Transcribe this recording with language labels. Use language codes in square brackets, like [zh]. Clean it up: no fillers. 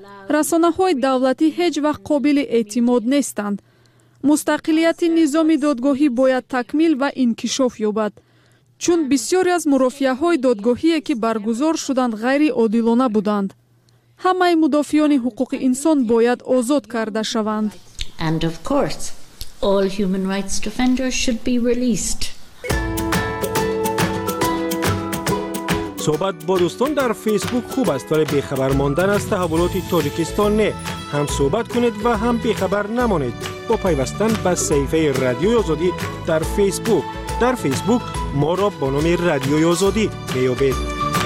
[fa] رسانه های دولتی هیچ وقت قابل اعتماد نیستند. مستقلیت نظام دادگاهی باید تکمیل و انکشاف یابد. چون بسیاری از مرافعه های دادگاهی که برگزار شدند غیر عادلانه بودند. همه مدافعان حقوق انسان باید آزاد کرده شوند. [en] And of course, all human rights defenders should be released. [fa] صحبت با دوستان در فیسبوک خوب است، ولی بیخبر ماندن از تحولات تاجیکستان نه. هم صحبت کنید و هم بیخبر نمانید با پیوستن به صفحه رادیوی آزادی در فیسبوک. در فیسبوک ما را با نام رادیوی آزادی می‌یابید.